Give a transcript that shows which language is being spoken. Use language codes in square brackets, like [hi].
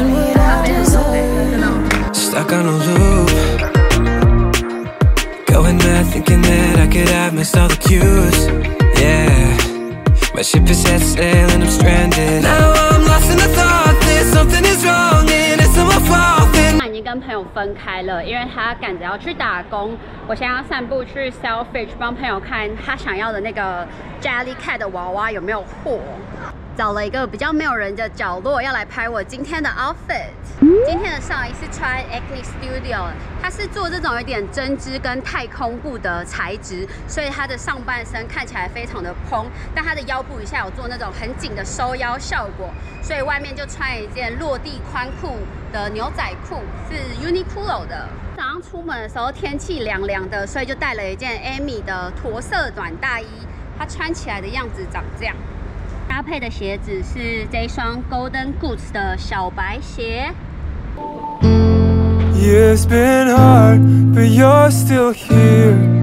[en] Stuck on a loop, going there thinking that I could have missed all the cues. Yeah, my ship is set sail and I'm stranded. Now I'm lost in the thought that something is wrong and it's my fault. [zh] 跟朋友分开了，因为他赶着要去打工。我现在要散步去 Selfridge 帮朋友看他想要的那个 Jellycat 的娃娃有没有货。找了一个比较没有人的角落，要来拍我今天的 outfit。今天的上衣是穿 Acne Studio， 它是做这种有点针织跟太空布的材质，所以它的上半身看起来非常的蓬，但它的腰部以下有做那种很紧的收腰效果，所以外面就穿一件落地宽裤的牛仔裤，是 Uniqlo 的。早上出门的时候天气凉凉的，所以就带了一件 Amy 的驼色短大衣，它穿起来的样子长这样。搭配的鞋子是这双 Golden Goods 的小白鞋。 [en] It's been hard, but you're still here.